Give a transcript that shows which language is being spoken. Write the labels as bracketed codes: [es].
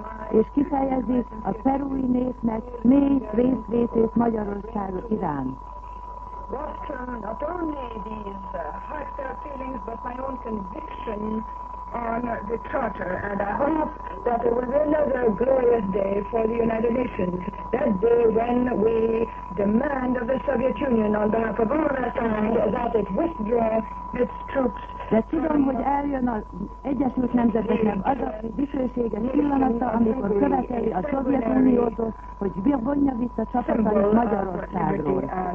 [hu] És kifejezi a perui népnek mély részvétét Magyarország iránt. [en] Boston, not only these heartfelt feelings, but my own conviction on the Charter, and I hope that there will be another glorious day for the United Nations, that day when we demand of the Soviet Union on behalf of all mankind that it withdraw its troops. [hu] De tudom, hogy eljön az Egyesült Nemzeteknek az a dicsőséges pillanata, amikor követeli a Szovjetuniótól, hogy vonja vissza csapatait Magyarországról.